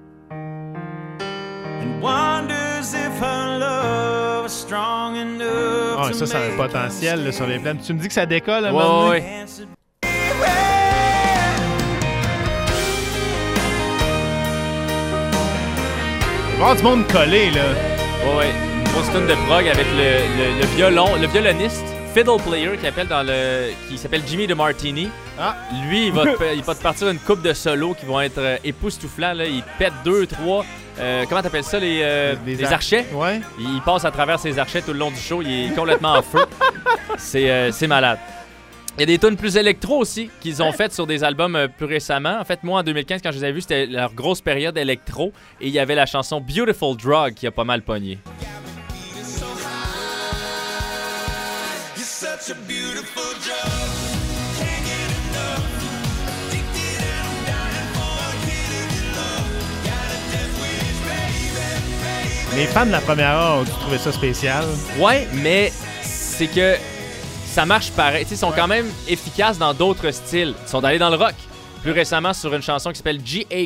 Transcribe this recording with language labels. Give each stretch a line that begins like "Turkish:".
English: And wonders if her love is strong enough.
French: Oh, ça a un potentiel là, sur les plaines. Tu me dis que ça décolle à un moment donné. Voir du monde collé, là. Ouais, grosse tune de prog avec le violon, le violoniste.
English: Fiddle player
French: qui appelle qui s'appelle Jimmy DeMartini. Ah. Lui, il va te partir une couple de solos qui vont être époustouflants. Là. Il pète 2-3. Comment t'appelles ça, les archets? Ouais. Il passe à travers ses archets tout le long du show. Il est complètement en feu. C'est malade. Il y a des tunes plus électro aussi qu'ils ont faites sur des albums plus récemment. En fait, moi, en 2015, quand je les avais vus, c'était leur grosse période électro. Et il y avait la chanson Beautiful Drug qui a pas mal pogné.
English: Such a beautiful drug. Can't get enough. Addicted and I'm dying for.
French: Les fans de la première heure ont dû trouver ça spécial. Ouais, mais c'est que ça marche pareil. T'sais, ils sont quand même efficaces dans d'autres styles. Ils sont allés dans le rock. Plus récemment, sur une chanson qui s'appelle G.A.